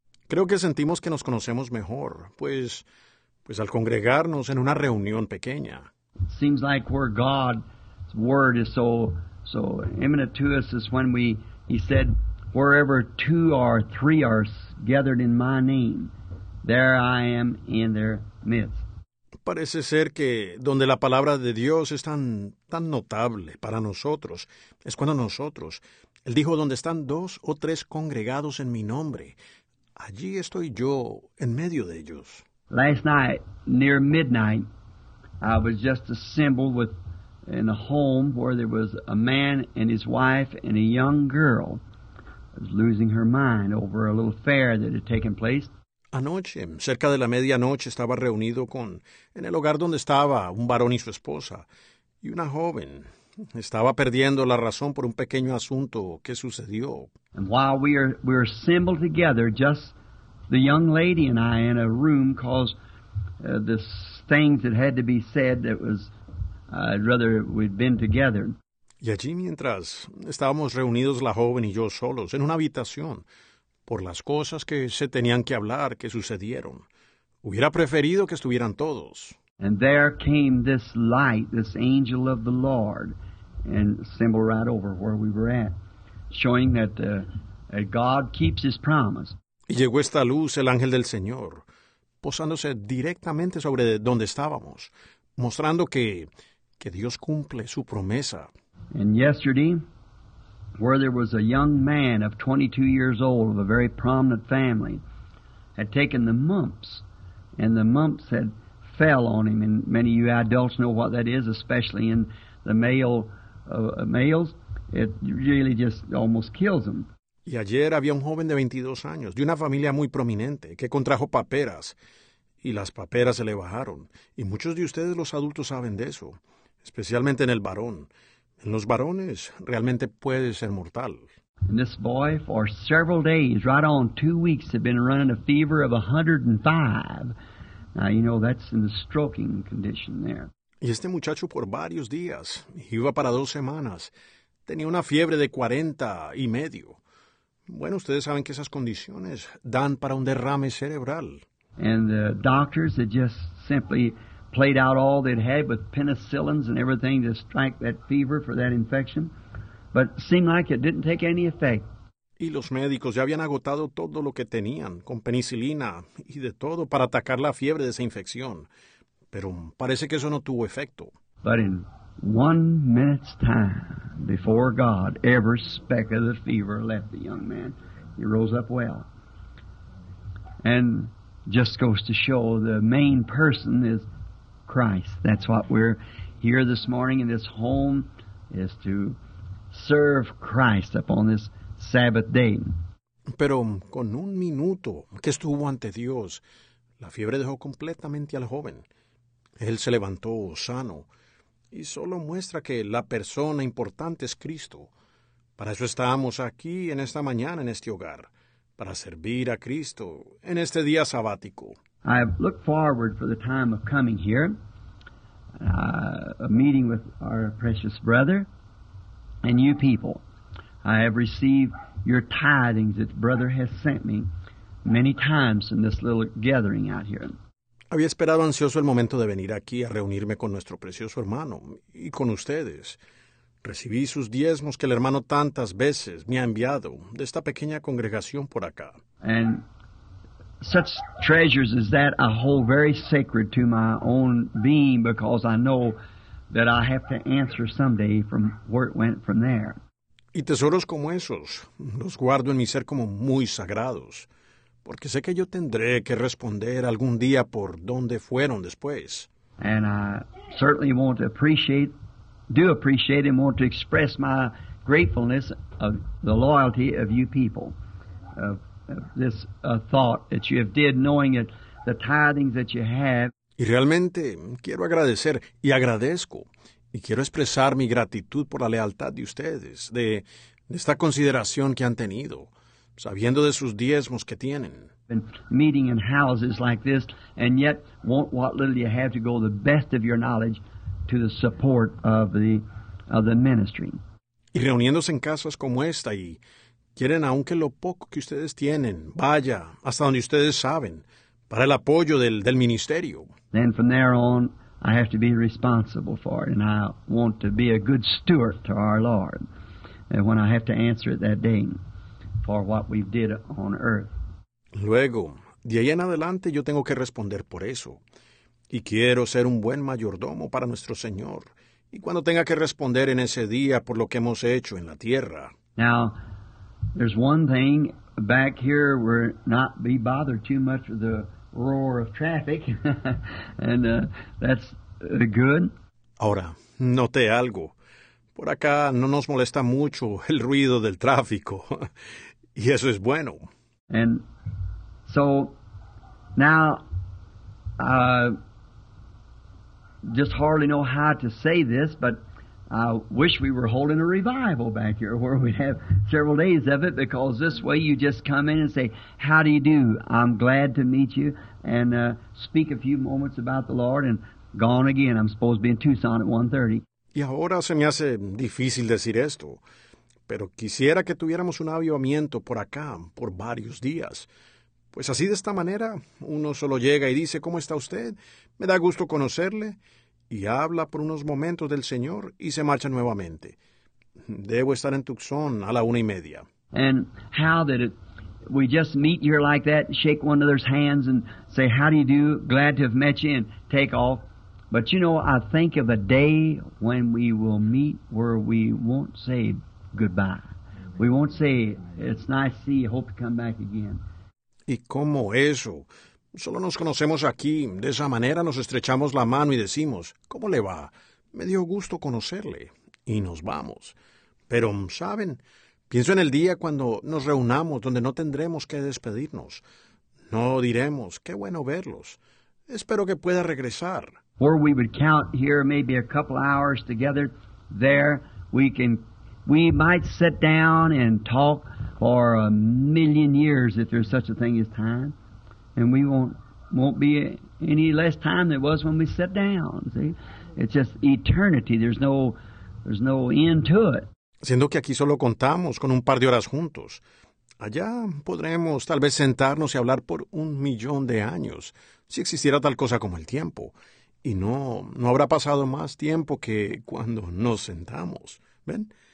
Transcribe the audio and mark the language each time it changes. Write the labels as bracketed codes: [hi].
[es] Creo que sentimos que nos conocemos mejor, pues al congregarnos en una reunión pequeña. [en] Seems like where God's word is so imminent to us is when he said, wherever two or three are gathered in my name, there I am in their midst. [es] Parece ser que donde la palabra de Dios es tan notable para nosotros, es cuando nosotros, Él dijo, donde están dos o tres congregados en mi nombre, allí estoy yo en medio de ellos. [en] Last night, near midnight, I was just assembled in a home where there was a man and his wife and a young girl was losing her mind over a little fair that had taken place. [es] Anoche, cerca de la medianoche, estaba reunido en el hogar donde estaba un varón y su esposa, y una joven estaba perdiendo la razón por un pequeño asunto que sucedió. [en] And while we were assembled together, just the young lady and I in a room, because the things that had to be said, that was, I'd rather we'd been together. [es] Y allí mientras estábamos reunidos la joven y yo solos en una habitación, por las cosas que se tenían que hablar, que sucedieron, hubiera preferido que estuvieran todos. [en] And there came this light, this angel of the Lord, and symbol right over where we were at, showing that God keeps his promise. [es] Y llegó esta luz, el ángel del Señor, posándose directamente sobre donde estábamos, mostrando que Dios cumple su promesa. [en] And yesterday, where there was a young man of 22 years old of a very prominent family, had taken the mumps, and the mumps had fell on him. And many of you adults know what that is, especially in the males. It really just almost kills them. [es] Y ayer había un joven de 22 años, de una familia muy prominente, que contrajo paperas, y las paperas se le bajaron. Y muchos de ustedes, los adultos, saben de eso, especialmente en el varón. En los varones, realmente puede ser mortal. [en] And this boy, for several days, right on 2 weeks, had been running a fever of 105. Now, you know, that's in the stroking condition there. [es] Y este muchacho, por varios días, iba para 2 semanas, tenía una fiebre de 40 y medio. Bueno, ustedes saben que esas condiciones dan para un derrame cerebral. [en] And the doctors had just simply played out all they'd had with penicillins and everything to strike that fever for that infection, but it seemed like it didn't take any effect. [es] Y los médicos ya habían agotado todo lo que tenían con penicilina y de todo para atacar la fiebre de esa infección, pero parece que eso no tuvo efecto. [en] But in 1 minute's time, before God, every speck of the fever left the young man. He rose up well. And just goes to show the main person is Christ. That's what we're here this morning in this home, is to serve Christ upon this Sabbath day. [es] Pero con un minuto que estuvo ante Dios, la fiebre dejó completamente al joven. Él se levantó sano. Y solo muestra que la persona importante es Cristo. Para eso estamos aquí en esta mañana, en este hogar, para servir a Cristo en este día sabático. [en] I have looked forward for the time of coming here, a meeting with our precious brother and you people. I have received your tidings that brother has sent me many times in this little gathering out here. [es] Había esperado ansioso el momento de venir aquí a reunirme con nuestro precioso hermano y con ustedes. Recibí sus diezmos que el hermano tantas veces me ha enviado de esta pequeña congregación por acá. [en] And such treasures as that I hold very sacred to my own being because I know that I have to answer someday from where it went from there. [es] Y tesoros como esos los guardo en mi ser como muy sagrados, porque sé que yo tendré que responder algún día por dónde fueron después. [en] And I certainly want to appreciate and want to express my gratefulness of the loyalty of you people, of this thought that you have did, knowing it, the tidings that you have. [es] Y realmente quiero agradecer, y agradezco, y quiero expresar mi gratitud por la lealtad de ustedes, de esta consideración que han tenido, sabiendo de sus diezmos que tienen. [en] And meeting in houses like this, and yet want what little you have to go the best of your knowledge to the support of the ministry. [es] Y reuniéndose en casas como esta, y quieren aunque lo poco que ustedes tienen vaya hasta donde ustedes saben, para el apoyo del ministerio. [en] Then from there on, I have to be responsible for it, and I want to be a good steward to our Lord, and when I have to answer it that day for what we did on earth. [es] Luego, de ahí en adelante, yo tengo que responder por eso. Y quiero ser un buen mayordomo para nuestro Señor. Y cuando tenga que responder en ese día por lo que hemos hecho en la tierra. [en] Now, there's one thing back here where not be bothered too much with the roar of traffic. And that's good. [es] Ahora, noté algo. Por acá no nos molesta mucho el ruido del tráfico. Y eso es bueno. [en] And so now I just hardly know how to say this, but I wish we were holding a revival back here where we'd have several days of it, because this way you just come in and say, "How do you do? I'm glad to meet you," and speak a few moments about the Lord and gone again. I'm supposed to be in Tucson at 1:30. [es] Y ahora se me hace difícil decir esto, pero quisiera que tuviéramos un avivamiento por acá por varios días. Pues así, de esta manera, uno solo llega y dice, ¿cómo está usted? Me da gusto conocerle. Y habla por unos momentos del Señor y se marcha nuevamente. Debo estar en Tucson a la 1:30. [en] And how that we just meet here like that, shake one another's hands and say, "How do you do? Glad to have met you," and take off. But you know, I think of a day when we will meet where we won't say goodbye. We won't say, "It's nice to see you. Hope to come back again." [es] ¿Y cómo eso? Solo nos conocemos aquí. De esa manera nos estrechamos la mano y decimos, ¿cómo le va? Me dio gusto conocerle. Y nos vamos. Pero, ¿saben? Pienso en el día cuando nos reunamos, donde no tendremos que despedirnos. No diremos, qué bueno verlos. Espero que pueda regresar. [en] Or we would count here maybe a couple hours together. There we might sit down and talk for a million years, if there's such a thing as time, and we won't be any less time than it was when we sat down. See, it's just eternity. There's no end to it. [es] Siendo que aquí solo contamos con un par de horas juntos, allá podremos tal vez sentarnos y hablar por un millón de años, si existiera tal cosa como el tiempo, y no habrá pasado más tiempo que cuando nos sentamos. ¿Ven?